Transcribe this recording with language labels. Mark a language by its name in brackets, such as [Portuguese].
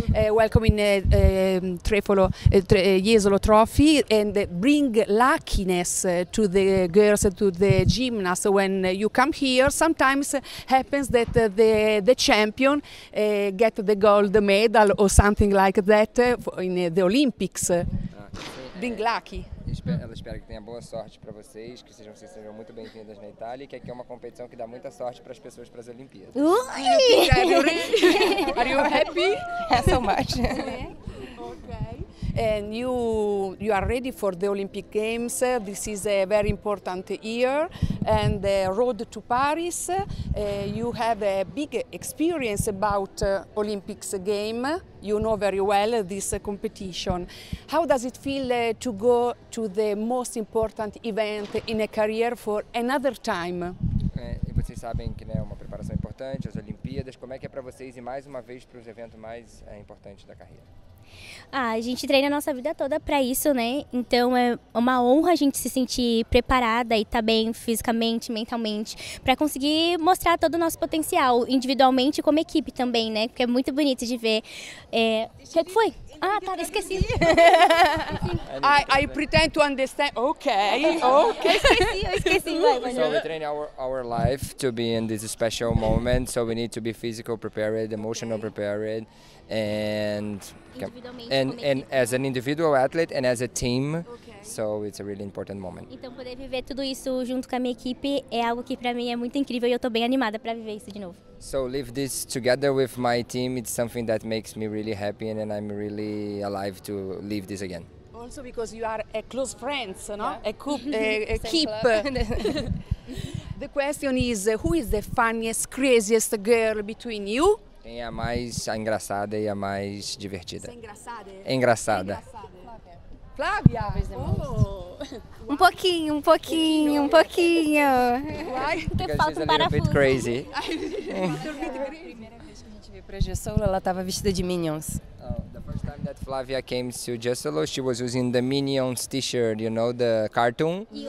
[English] Welcome in Trefolo, Jesolo Trophy, and bring luckiness to the girls and to the gymnasts. When you come here, sometimes happens that the champion get the gold medal or something like that in the Olympics. Bring lucky. [Portuguese] Espero que tenha boa sorte para vocês, que sejam, vocês sejam muito bem-vindas na Itália, que aqui é uma competição que dá muita sorte para as pessoas para as Olimpíadas. [English] Are you happy? Yeah, so much. Okay. And you are ready for the Olympic Games. This is a very important year and the road to Paris. You have a big experience about Olympics game. You know very well this competition. How does it feel to go to the most important event in a career for another time? [Portuguese] E vocês sabem que, né, é uma preparação importante, as Olimpíadas. Como é que é para vocês ir mais uma vez para os eventos mais importantes da carreira? Ah, a gente treina a nossa vida toda para isso, né? Então é uma honra a gente se sentir preparada e estar bem fisicamente, mentalmente, para conseguir mostrar todo o nosso potencial individualmente e como equipe também, né? Porque é muito bonito de ver. O que foi? Ah, tá, esqueci. [English] I pretend to understand. Okay. Okay. [Portuguese] Esqueci. Vai, [English] so we train our life to be in this special moment, so we need to be physical prepared, emotional okay. prepared. And as an individual athlete and as a team, okay. So it's a really important moment. [Portuguese] Então poder viver tudo isso junto com a minha equipe é algo que para mim é muito incrível e eu estou bem animada para viver isso de novo. [English] So live this together with my team, it's something that makes me really happy and I'm really alive to live this again. Also because you are a close friends, no? Yeah. A keep. The question is, who is the funniest, craziest girl between you? [Portuguese] Quem é a mais engraçada e a mais divertida? Engraçada. Engraçada. Flávia. Um pouquinho. [English] Why? [Portuguese] Porque falta um parafuso. [English] Crazy. [Portuguese] A primeira vez que a gente veio para Gesso, ela estava vestida de Minions. [English] The first time that Flávia came to Gesso, she was using the Minions t-shirt, you know, the cartoon.